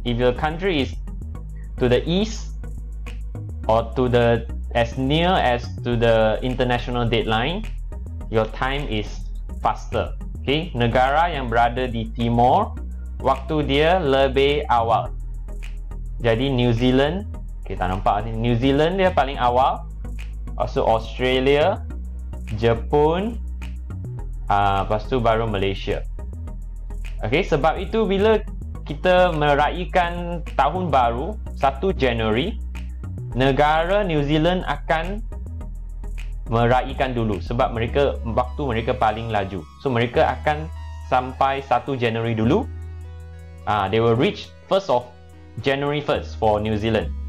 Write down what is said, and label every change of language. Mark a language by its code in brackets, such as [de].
[en] If your country is to the east or to the as near as to the international deadline, your time is faster. [ms] Okay, negara yang berada di timur, waktu dia lebih awal. Jadi New Zealand, kita nampak ni, New Zealand dia paling awal. Also Australia, Jepun, lepas tu baru Malaysia. Okay, sebab itu bila kita meraihkan tahun baru, 1 Januari, negara New Zealand akan meraihkan dulu sebab mereka waktu mereka paling laju. So mereka akan sampai 1 Januari dulu. [en] They will reach first of January first for New Zealand.